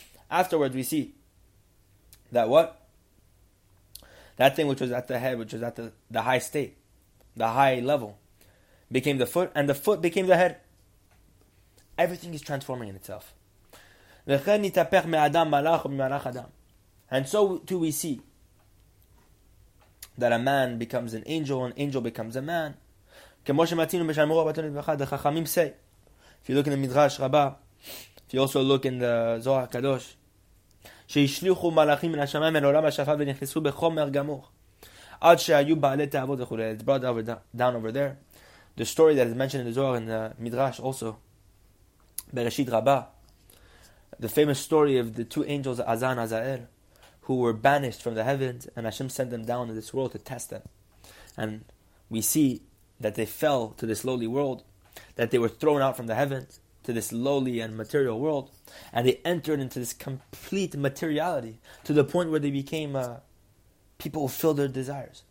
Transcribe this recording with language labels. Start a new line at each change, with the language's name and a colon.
English: Afterward, we see that what? That thing which was at the head, which was at the high state, the high level, became the foot, and the foot became the head. Everything is transforming in itself. And so too we see that a man becomes an angel, an angel becomes a man. If you look in the Midrash Rabbah, if you also look in the Zohar Kadosh,
Hebrew: שישלחו מלאכים מן השמיים אל עולם השפל ונכנסו בחומר גמור. עד שהיו בעלי תאוות וכולי.
English: It's brought over, down over there. The story that is mentioned in the Zohar in the Midrash also, בראשית רבה, the famous story of the two angels, Azan and Azael, who were banished from the heavens, and Hashem sent them down to this world to test them. And we see that they fell to this lowly world, that they were thrown out from the heavens, to this lowly and material world, and they entered into this complete materiality to the point where they became people who filled their desires.